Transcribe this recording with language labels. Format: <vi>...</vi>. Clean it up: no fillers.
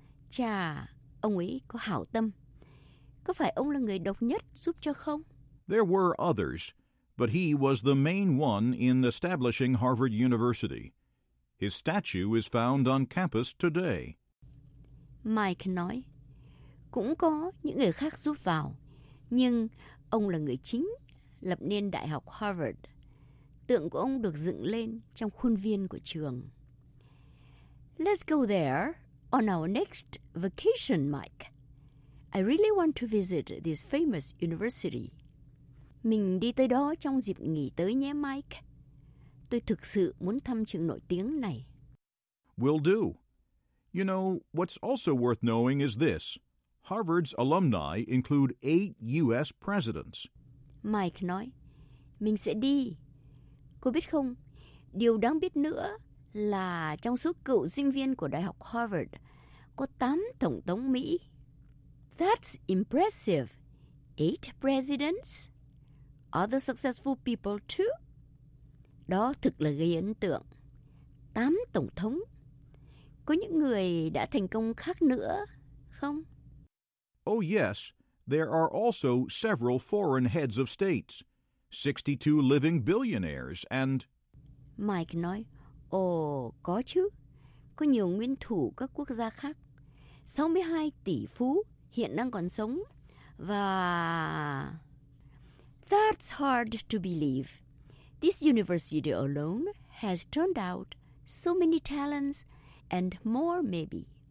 <vi>Chà, ông ấy có hảo tâm. Có phải ông là người độc nhất giúp cho không?</vi> <en>There were others, but he was the main one in establishing Harvard University. His statue is found on campus today.</en> <vi>Mike nói, cũng có những người khác giúp vào, nhưng ông là người chính lập nên Đại học Harvard. Tượng của ông được dựng lên trong khuôn viên của trường.</vi> <en>Let's go there on our next vacation, Mike. I really want to visit this famous university.</en> <vi>Mình đi tới đó trong dịp nghỉ tới nhé, Mike. Tôi thực sự muốn thăm trường nổi tiếng này.</vi> <en>Will do. You know, what's also worth knowing is this. Harvard's alumni include 8 U.S. presidents.</en> <vi>Mike nói, mình sẽ đi. Cô biết không, điều đáng biết nữa là trong số cựu sinh viên của Đại học Harvard, có 8 tổng thống Mỹ.</vi> <en>That's impressive. 8 presidents? Other successful people too?</en> <vi>Đó thực là gây ấn tượng. 8 tổng thống. Có những người đã thành công khác nữa, không?</vi> <en>Oh yes, there are also several foreign heads of states. 62 living billionaires and...</en> <vi>Mike nói, ồ, có chứ. Có nhiều nguyên thủ các quốc gia khác. 62 tỷ phú hiện đang còn sống. Và...</vi> <en>That's hard to believe. This university alone has turned out so many talents and more maybe.</en>